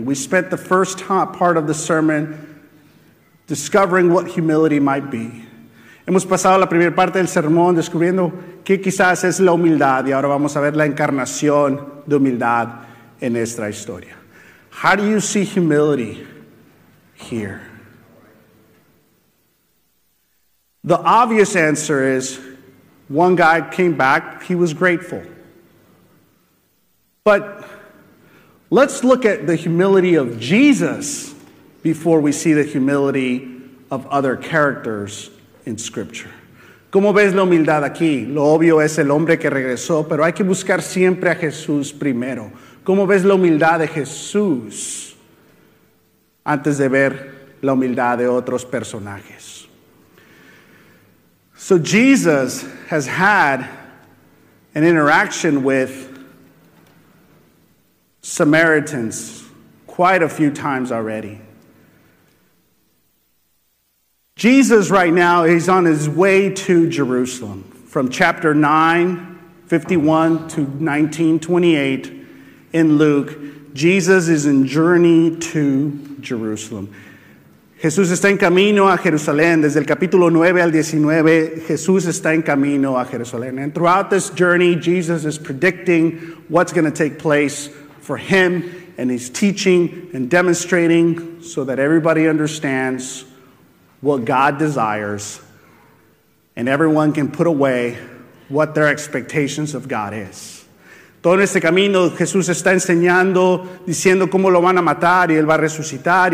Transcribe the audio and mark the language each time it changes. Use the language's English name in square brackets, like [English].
[English] We spent the first part of the sermon discovering what humility might be. [Spanish] Hemos pasado la primera parte del sermón descubriendo qué quizás es la humildad. Y ahora vamos a ver la encarnación de humildad en esta historia. [English] How do you see humility here? The obvious answer is, one guy came back, he was grateful. But let's look at the humility of Jesus before we see the humility of other characters in Scripture. [Spanish] ¿Cómo ves la humildad aquí? Lo obvio es el hombre que regresó, pero hay que buscar siempre a Jesús primero. ¿Cómo ves la humildad de Jesús antes de ver la humildad de otros personajes? [English] So Jesus has had an interaction with Samaritans quite a few times already. Jesus right now, he's on his way to Jerusalem. From chapter 9, 51 to 19, 28, in Luke, Jesus is in journey to Jerusalem. [Spanish] Jesús está en camino a Jerusalén. Desde el capítulo 9 al 19, Jesús está en camino a Jerusalén. [English] And throughout this journey, Jesus is predicting what's going to take place for him, and he's teaching and demonstrating so that everybody understands what God desires, and everyone can put away what their expectations of God is. [Spanish] Todo en este camino, Jesús está enseñando, diciendo cómo lo van a matar y él va a resucitar.